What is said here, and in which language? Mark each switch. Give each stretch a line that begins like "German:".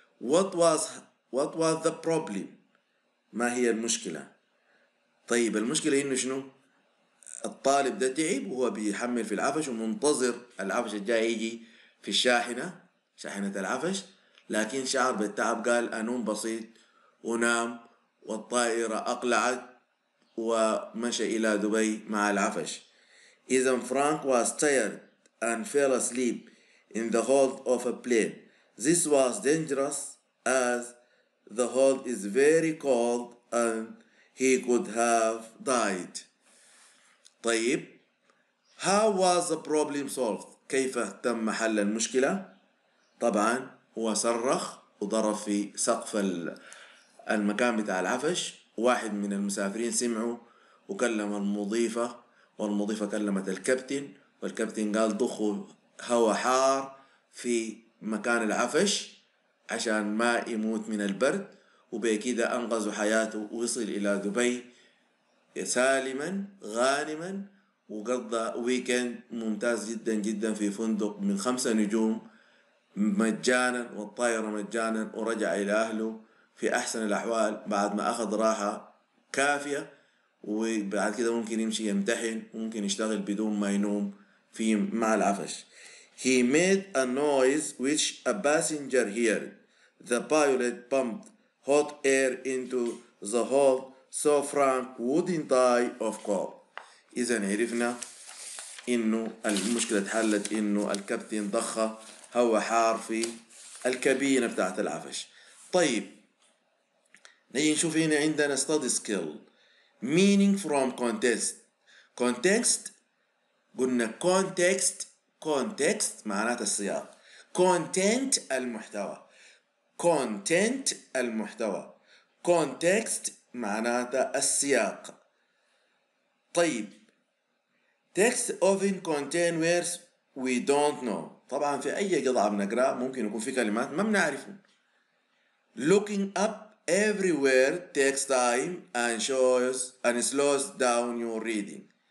English: What was the problem؟
Arabic: ما هي المشكلة؟ طيب المشكلة إنه شنو؟ الطالب ده تعب وهو بيحمل في العفش ومنتظر العفش الجاي يجي في الشاحنة، شاحنة العفش، لكن شعر بالتعب، قال أنوم بسيط ونام، والطائرة أقلعت ومشى إلى دبي مع العفش. إذا
English: Frank was tired and fell asleep in the hold of a plane. This was dangerous as the hold is very cold and he could have died.
Arabic: طيب
English: how was the problem solved؟
Arabic: كيف تم حل المشكلة؟ طبعا هو صرخ وضرب في سقف المكان بتاع العفش، واحد من المسافرين سمعه وكلم المضيفة، والمضيفة كلمت الكابتن، والكابتن قال ضخوا هواء حار في مكان العفش عشان ما يموت من البرد، وبكده أنقذوا حياته ووصل إلى دبي سالما غانما، وقضى ويكند ممتاز جدا جدا في فندق من 5 نجوم مجانا، والطائرة مجانا، ورجع إلى أهله في أحسن الأحوال بعد ما أخذ راحة كافية، وبعد كده ممكن يمشي يمتحن، ممكن يشتغل بدون ما ينوم في مع العفش.
English: He made a noise which a passenger heard. The pilot pumped hot air into the hold so Frank wouldn't die of cold.
Arabic: إذن عرفنا إنه المشكلة تحلت إنه الكابتن ضخ هواء حار في الكابينة بتاعت العفش. طيب نجي نشوف هنا عندنا
English: study skill meaning from context.
Arabic: Context قلنا context context معناته السياق، content المحتوى، content المحتوى، context معناته السياق. طيب
English: text often contain words we don't know،
Arabic: طبعا في أي قطعة بنقرأ ممكن يكون في كلمات ما بنعرفها.
English: looking up everywhere takes time and shows and slows down your reading.